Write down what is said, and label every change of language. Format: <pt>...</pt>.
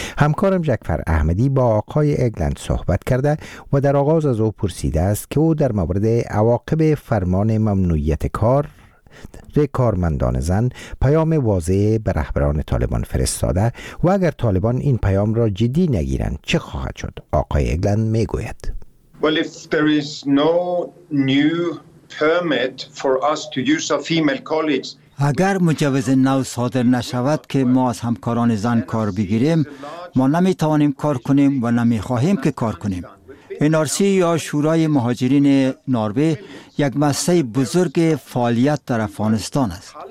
<fa>همکارم جعفر احمدی با آقای اگلند صحبت کرده و در آغاز از او پرسیده است که او در مورد عواقب فرمان ممنوعیت کار کارمندان زن پیام واضح به رهبران طالبان فرستاده و اگر طالبان این پیام را جدی نگیرند چه خواهد شد. آقای اگلند می گوید:</fa> <en>Well, if there is no new permit for us to use our female colleagues,</en> <fa>اگر مجوز نو صادر نشود که ما از همکاران زن کار بگیریم، ما نمی توانیم کار کنیم و نمی خواهیم که کار کنیم. انارسی یا شورای مهاجرین نروژ یک مؤسسه بزرگ فعالیت در افغانستان است.</fa>